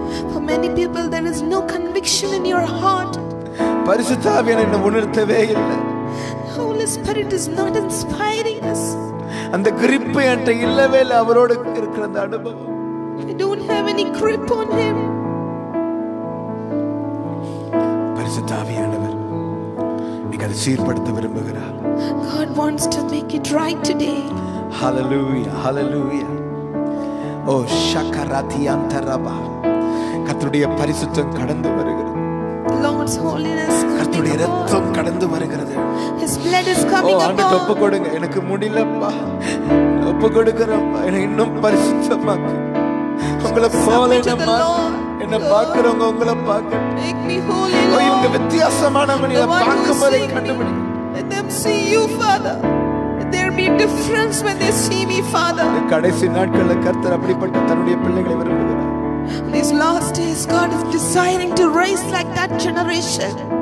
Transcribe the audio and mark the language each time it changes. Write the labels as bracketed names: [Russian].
[English] For many people there is no conviction in your heart [Tamil] பரிசுத்த ஆவியினர் என்ன உணர்த்தவே இல்லை [English] Holy Spirit is not inspiring us [Tamil] அந்த grip என்கிட்ட இல்லவே இல்லை அவரோடு இருக்கிற அந்த அனுபவம் [English] I don't have any grip on him [Tamil] பரிசுத்த ஆவியானவர் நீங்களை சீர்படுத்த விரும்புகிறார் [English] God wants to make it right today. Hallelujah, hallelujah. Oh shakarati antaraba. [Tamil] கர்த்தருடைய பரிசுத்தம் கடந்து வருகிறது. [English] Lord's holiness. [Tamil] கர்த்தருடைய இரத்தம் கடந்து வருகிறது. [English] His blood is coming upon. [Tamil] ஓ ஆண்டவரே ஒப்பு கொடுங்க எனக்கு முடியலப்பா. ஒப்பு கொடுக்கறப்பா என்னை இன்னும் பரிசுத்தமாக்கு. உங்களை போலேனம்மா. என்ன பார்க்கிறவங்க [English] be a difference when they see me, Father. [Tamil] இந்த கடைசி நாட்கள்ல கர்த்தர் அப்படிப்பட்ட தன்னுடைய பிள்ளைகளை விரும்புகிறார். [English] These last days, God is desiring to raise like that generation.